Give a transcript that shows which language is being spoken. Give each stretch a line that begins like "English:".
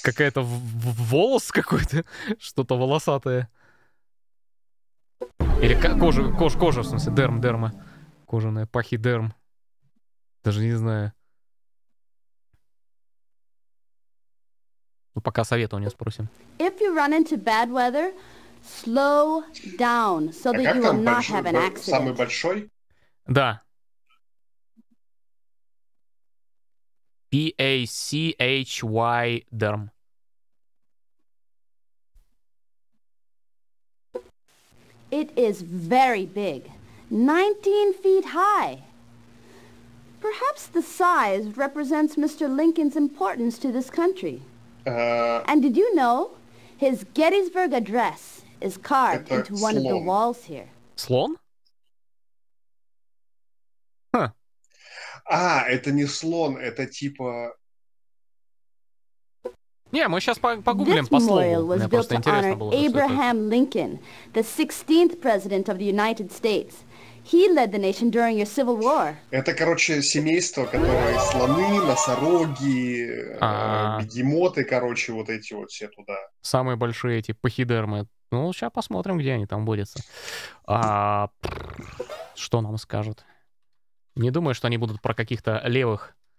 Russian: Какая-то волос какой-то, что-то волосатое. Или кожа, в смысле, дерма. Кожаная, пахидерм. Даже не знаю. Ну, пока совета у нее спросим.
English: If you run into bad weather, slow down, so that you will not have an accident.
Russian: Самый большой? Да.
English: P-A-C-H-Y derm. It is very big, 19 feet high. Perhaps the size represents Mr. Lincoln's importance to this country. And did you know, his Gettysburg Address is carved into one of the walls here.
Russian: Слон? Huh. Это не слон, это типа... Не, мы сейчас погуглим по слову. Мне просто интересно было, что это.
English: Abraham Lincoln, the 16th president of the United States. He led the nation during your civil war.
Russian: Это, короче, семейство, которое слоны, носороги, бегемоты, короче, вот эти вот все туда. Самые большие эти пахидермы. Ну, сейчас посмотрим, где они там борются. Что нам скажут? Не думаю, что они будут про каких-то левых...